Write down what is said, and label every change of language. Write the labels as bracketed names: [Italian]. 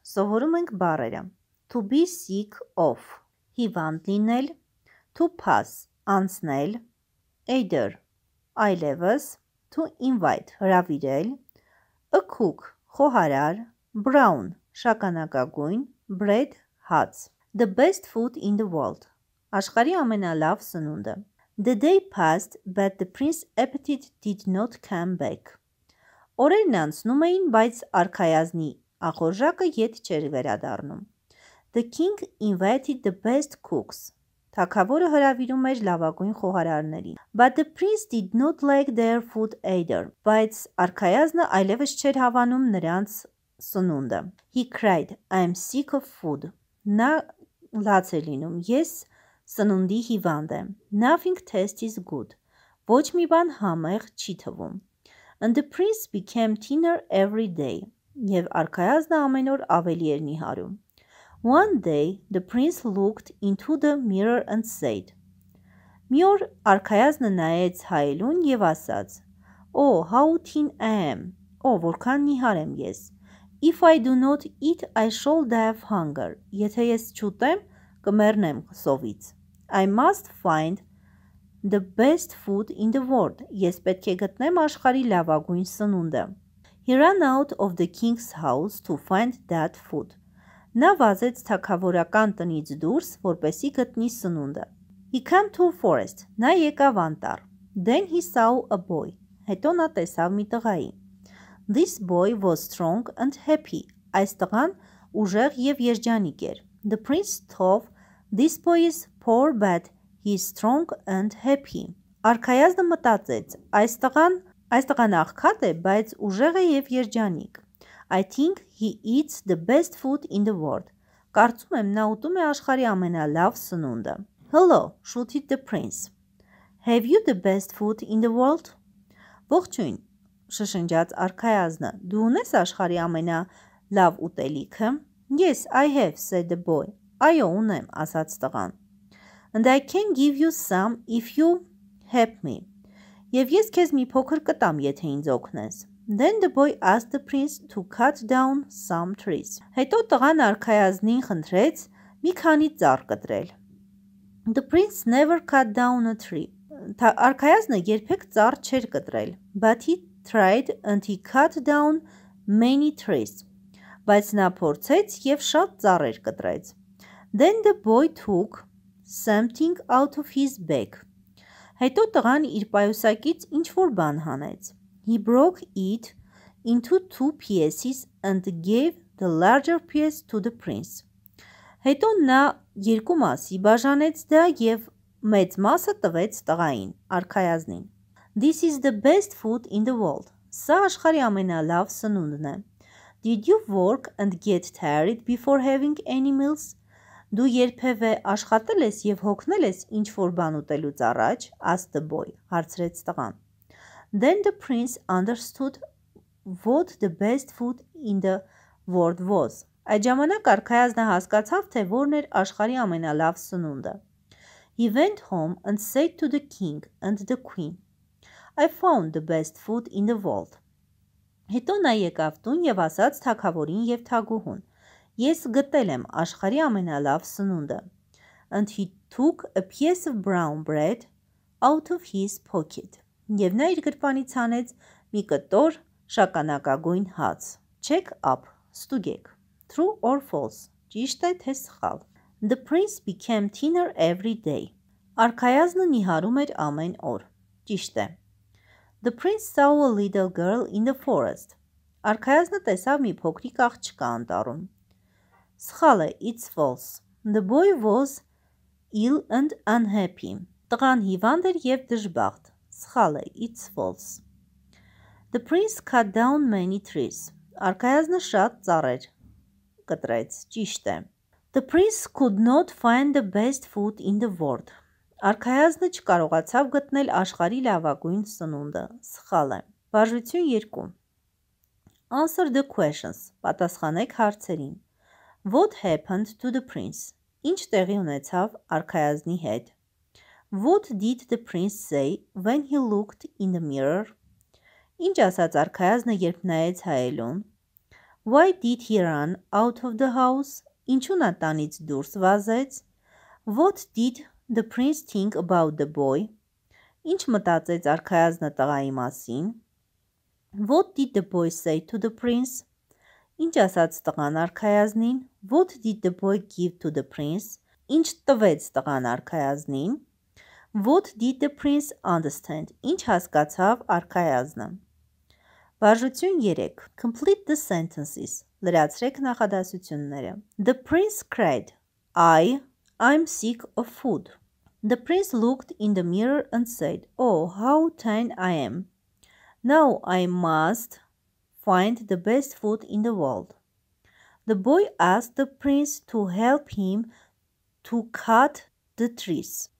[Armenian] Սովորում ենք բառերը. [English] To be sick of. [Armenian] Հիվանդ լինել. [English] To pass. [Armenian] Անցնել. [English] Either. [Armenian] Այլևս. [English] To invite. [Armenian] Հրավիրել. [English] A cook. [Armenian] Խոհարար. [English] Brown. [Armenian] Շականակագույն. [English] Bread. [Armenian] Հաց. [English] The best food in the world. [Armenian] Աշխարհի ամենալավ սնունդը. [English] The day passed, but the prince's appetite did not come back. [Armenian] Օրերն անցնում էին, բայց արքայազնի աղորժակը ետ չեր վերադառնում. [English] The king invited the best cooks. [Armenian] Թագավորը հրավիրում էր լավագույն խոհարարներին. [English] But the prince did not like their food either. [Armenian] Բայց արքայազնը այլևս չէր հավանում նրանց սնունդը. [English] He cried, I'm sick of food. [Armenian] Նա լաց է լինում, ես սնունդի հիվանդ եմ. [English] Nothing tastes good. [Armenian] Ոչ մի բան համեղ չի թվում. [English] And the prince became thinner every day. [Armenian] Եվ արքայազնը ամեն օր ավելի էր նիհարում. [English] One day the prince looked into the mirror and said. [Armenian] Մի օր արքայազնը նայեց հայելուն եւ ասաց. [English] Oh, how thin I am. [Armenian] Oh, որքան նիհար եմ ես. [English] If I do not eat, I shall die of hunger. [Armenian] Եթե ես չուտեմ, կմեռնեմ սովից. [English] I must find the best food in the world. [Armenian] Ես պետք է գտնեմ աշխարհի լավագույն սնունդը. [English] He ran out of the king's house to find that food. [Armenian] Նա վազեց թագավորական տնից դուրս, որպեսզի գտնի սնունդը. [English] He came to a forest. [Armenian] Նա եկավ անտառ. [English] Then he saw a boy. [Armenian] Հետո նա տեսավ մի տղայի. [English] This boy was strong and happy. [Armenian] Այս տղան ուժեղ եւ երջանիկ էր. [English] The prince thought this boy is poor but he is strong and happy. [Armenian] Արքայազնը մտածեց. Այս տղան աղքատ է, բայց ուժեղ է եւ երջանիկ. [English] I think he eats the best food in the world. [Armenian] Կարծում եմ նա ուտում է աշխարհի ամենալավ սնունդը. [English] Hello, shouted the prince. Have you the best food in the world? [Armenian] Ողջույն, շշնջաց արքայազնը. Դու ունես աշխարհի ամենալավ ուտելիքը? [English] Yes, I have, said the boy. [Armenian] Այո, ունեմ, ասաց տղան. [English] And I can give you some if you help me. [Armenian] Եվ ես քեզ մի փոքր կտամ, եթե ինձ օգնես. [English] Then the boy asked the prince to cut down some trees. [Armenian] Հետո տղան արքայազնին խնդրեց մի քանի ծառ կտրել. [English] The prince never cut down a tree. [Armenian] Արքայազնը երբեք ծառ չէր կտրել. [English] But he tried and he cut down many trees. [Armenian] Բայց նա փորձեց եւ շատ ծառեր կտրեց. [English] Then the boy took something out of his bag. [Armenian] Հետո տղան իր պայուսակից ինչ-որ բան հանեց. [English] He broke it into two pieces and gave the larger piece to the prince. [Armenian] Հետո նա երկու մասի բաժանեց դա եւ մեծ մասը տվեց տղային, արքայազնին. [English] This is the best food in the world. [Armenian] Սա աշխարհի ամենալավ սնունդն է. [English] Did you work and get tired before having any meals? [Armenian] Դու երբևէ աշխատել ես եւ հոգնել ես ինչ-որ բան ուտելուց առաջ? [English] Asked the boy. [Armenian] Հարցրեց տղան. [English] Then the prince understood what the best food in the world was. [Armenian] Այդ ժամանակ արքայազնը հասկացավ, թե որն էր աշխարհի ամենալավ սնունդը. [English] He went home and said to the king and the queen. I found the best food in the world. [Armenian] Հետո նա եկավ տուն եւ ասաց թագավորին եւ թագուհուն. Ես գտել եմ աշխարհի ամենալավ սնունդը. [English] And he took a piece of brown bread out of his pocket. [Armenian] Եվ նա իր գրպանից անեց մի կտոր շականակագույն հաց. [English] Check up. [Armenian] Ստուգեք. [English] True or false. [Armenian] Ճիշտ է թե սխալ. [English] The prince became thinner every day. [Armenian] Արքայազնը նիհարում էր ամեն օր. Ճիշտ է. [English] The prince saw a little girl in the forest. [Armenian] Արքայազնը տեսավ մի փոքրիկ աղջկա անտառում. Սխալ է, [English] it's false. The boy was ill and unhappy. [Armenian] Տղան հիվանդ էր եւ դժբախտ. Սխալ է, [English] it's false. The prince cut down many trees. [Armenian] Արքայազնը շատ ծառեր կտրեց. Ճիշտ է. [English] The prince could not find the best food in the world. [Armenian] Արքայազնը չկարողացավ գտնել աշխարհի լավագույն սնունդը։ Սխալ է։ Բաժություն 2. [English] Answer the questions. [Armenian] Պատասխանեք հարցերին։ [English] What happened to the prince? [Armenian] Ինչ տեղի ունեցավ արքայազնի հետ։ [English] What did the prince say when he looked in the mirror? [Armenian] Ինչ ասաց արքայազնը, երբ նայեց հայելուն. [English] Why did he run out of the house? [Armenian] Ինչու նա տանից դուրս վազեց? [English] What did the prince think about the boy? [Armenian] Ինչ մտածեց արքայազնը տղայի մասին? [English] What did the boy say to the prince? [Armenian] Ինչ ասաց տղան արքայազնին? [English] What did the boy give to the prince? [Armenian] Ինչ տվեց տղան արքայազնին? [English] What did the prince understand? [Armenian] Ինչ հասկացավ արքայազնը? Բաժություն 3. [English] Complete the sentences. [Armenian] Լրացրեք նախադասությունները. [English] The prince cried, I'm sick of food. The prince looked in the mirror and said, Oh, how thin I am. Now I must find the best food in the world. The boy asked the prince to help him to cut the trees.